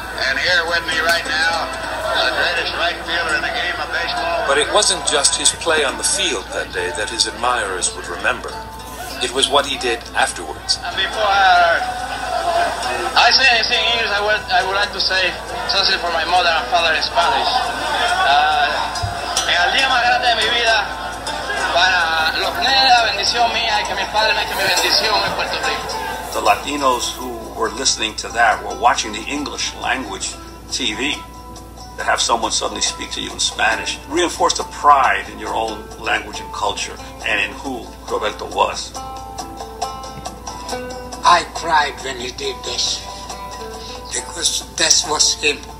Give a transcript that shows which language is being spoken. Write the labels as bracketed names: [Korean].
[English] And here with me right now, the greatest right fielder in the game of baseball. But it wasn't just his play on the field that day that his admirers would remember. It was what he did afterwards. Before I say anything, I would like to say something for my mother and father in Spanish. [Spanish] En el día más grande de mi vida, para los negros, bendición mía y que mi padre me dé mi bendición en Puerto Rico. [English] The Latinos who were listening to that were watching the English language TV. To have someone suddenly speak to you in Spanish reinforced the pride in your own language and culture and in who Roberto was. I cried when he did this, because this was him.